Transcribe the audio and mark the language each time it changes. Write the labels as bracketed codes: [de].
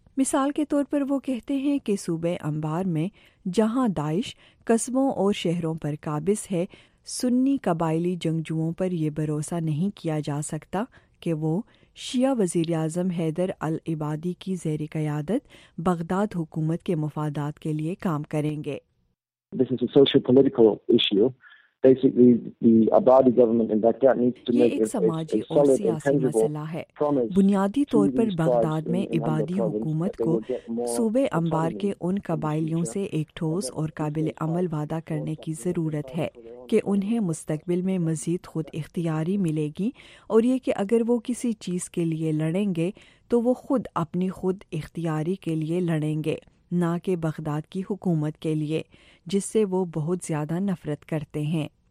[ur] مثال کے طور پر وہ کہتے ہیں کہ صوبہ انبار میں جہاں داعش قصبوں اور شہروں پر قابض ہے, سنی قبائلی جنگجوؤں پر یہ بھروسہ نہیں کیا جا سکتا کہ وہ شیعہ وزیراعظم حیدر العبادی کی زیر قیادت بغداد حکومت کے مفادات کے لیے کام کریں گے. [en] This is a socio-political issue. Basically, the Abadi government in Baghdad needs to make [ur] ایک سماجی اور سیاسی مسئلہ ہے. بنیادی طور پر بغداد میں عبادی حکومت کو صوبے انبار کے ان قبائلیوں سے ایک ٹھوس اور قابل عمل وعدہ کرنے کی ضرورت ہے کہ انہیں مستقبل میں مزید خود اختیاری ملے گی, اور یہ کہ اگر وہ کسی چیز کے لیے لڑیں گے تو وہ خود اپنی خود اختیاری کے لیے لڑیں گے, نہ کہ بغداد کی حکومت کے لیے جس سے وہ بہت زیادہ نفرت کرتے ہیں.